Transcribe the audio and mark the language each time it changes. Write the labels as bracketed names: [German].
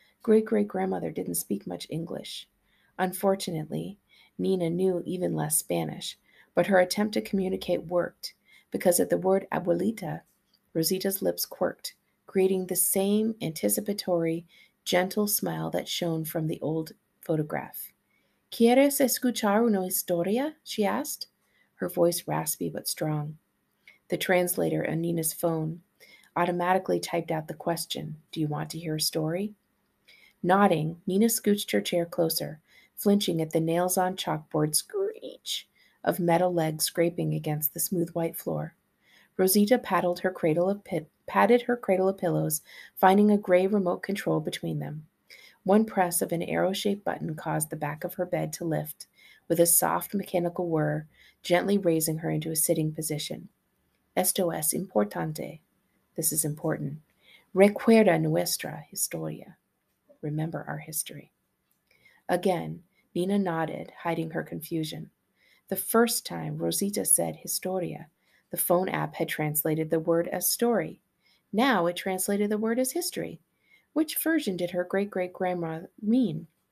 [English] Great-great-grandmother didn't speak much English. Unfortunately, Nina knew even less Spanish, but her attempt to communicate worked, because at the word Abuelita, Rosita's lips quirked, creating the same anticipatory, gentle smile that shone from the old photograph. [Spanish] "¿Quieres escuchar una historia?" [English] she asked, her voice raspy but strong. The translator on Nina's phone automatically typed out the question, "Do you want to hear a story?" Nodding, Nina scooched her chair closer, flinching at the nails-on-chalkboard screech of metal legs scraping against the smooth white floor. Rosita patted her cradle of pillows, finding a gray remote control between them. One press of an arrow-shaped button caused the back of her bed to lift, with a soft mechanical whir, gently raising her into a sitting position. [Spanish] "Esto es importante." [English] This is important. [Spanish] Recuerda nuestra historia. [English] Remember our history. Again, Nina nodded, hiding her confusion. The first time Rosita said historia, the phone app had translated the word as story. Now it translated the word as history. Which version did her great-great-grandma mean?